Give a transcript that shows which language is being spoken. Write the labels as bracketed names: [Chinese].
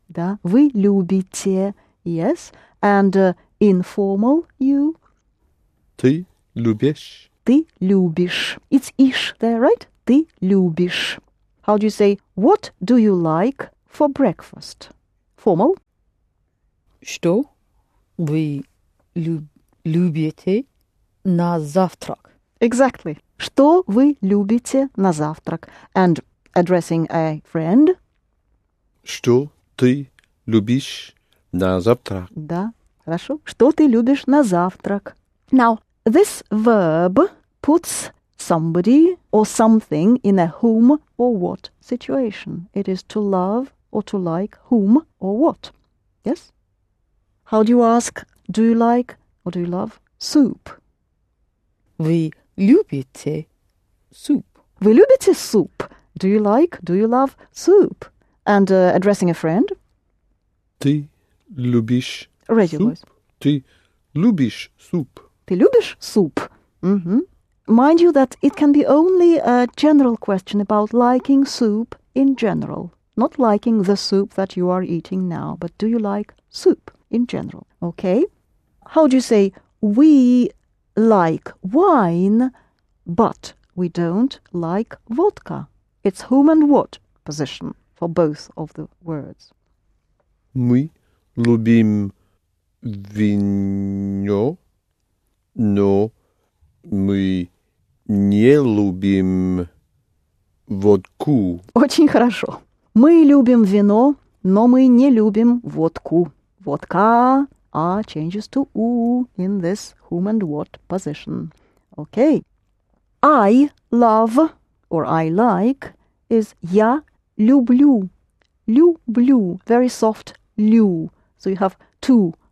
[Russian] Да. Вы любите. [English] Yes. And informal, you. [Russian] Ты любишь. Ты любишь. [English] It's ish there, right? [Russian] Ты любишь. [English] How do you say, what do you like for breakfast? [Russian] Формал. Что вы любите на завтрак? [English] Exactly. [Russian] Что вы любите на завтрак? [English] And addressing a friend. [Russian] Что ты любишь на завтрак? Да, хорошо. Что ты любишь на завтрак? [English] Now, this verb puts somebody or something in a whom or what situation. It is to love or to like whom or what. Yes? How do you ask, do you like or do you love soup? [Russian] Вы любите soup. Вы любите [English] soup. Do you like, do you love soup? And addressing a friend. [Russian] Ты любишь soup? [English] Raise your voice. [Russian] Ты любишь soup. Ты любишь soup. Mm-hmm. [English] Mind you that it can be only a general question about liking soup in general. Not liking the soup that you are eating now, but do you like soup in general? Okay. How do you say, we like wine, but we don't like vodka? It's whom and what position for both of the words. [Russian] Мы любим вино, но мы не любим водку. Очень хорошо. Мы любим вино, но мы не любим водку. Водка. [English] А changes to у in this whom and what position. Okay. I love or I like is [Russian] я люблю. Люблю. [English] Very soft лю. So you have two.